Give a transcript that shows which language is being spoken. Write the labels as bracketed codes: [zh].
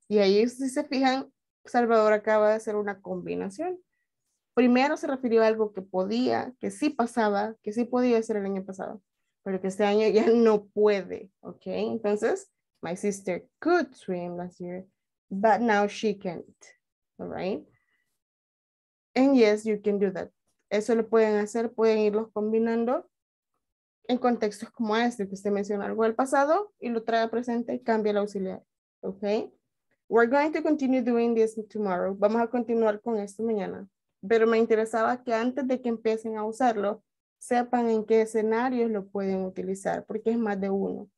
[es] Y ahí, si se fijan, Salvador acaba de hacer una combinación. Primero se refirió a algo que podía, que sí pasaba, que sí podía ser el año pasado. Pero que este año ya no puede, ¿ok? Entonces, [en] my sister could swim last year, but now she can't, all right? And yes, you can do that. [es] Eso lo pueden hacer, pueden irlos combinando en contextos como este, que usted menciona algo del pasado y lo trae al presente y cambia el auxiliar, ¿ok? [en] We're going to continue doing this tomorrow. [es] Vamos a continuar con esto mañana. Pero me interesaba que antes de que empiecen a usarlo, sepan en qué escenarios lo pueden utilizar, porque es más de uno.